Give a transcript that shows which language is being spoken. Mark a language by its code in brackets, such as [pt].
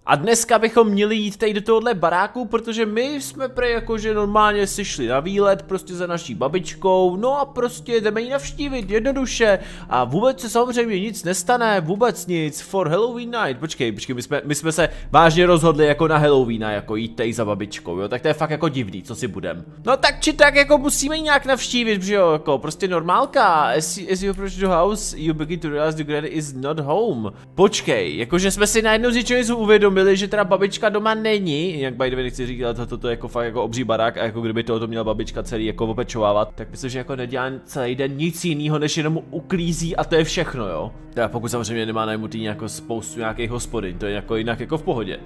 [cs] A dneska bychom měli jít tady do tohohle baráku, protože my jsme prej jakože normálně si šli na výlet, prostě za naší babičkou, no a prostě jdeme ji navštívit, jednoduše. A vůbec se samozřejmě nic nestane, vůbec nic, [en] for Halloween night. [cs] Počkej, my jsme se vážně rozhodli jako na Halloween, jako jít tady za babičkou, jo, tak to je fakt jako divný, co si budem. No tak či tak, jako musíme ji nějak navštívit, že jo, jako prostě normálka. [en] As you approach the house, you begin to realize the granny is not home. [cs] Počkej, jakože jsme si najednou z něčeho uvědomili, že teda babička doma není. Jak [en] by the way, [cs] nechci říkat, toto to je jako fakt jako obří barák a jako kdyby toho to měla babička celý jako opečovávat, tak myslím, že jako nedělá celý den nic jiného, než jenom uklízí a to je všechno, jo. Teda pokud samozřejmě nemá najmutý nějakou spoustu nějakých hospodin, to je jako jinak jako v pohodě.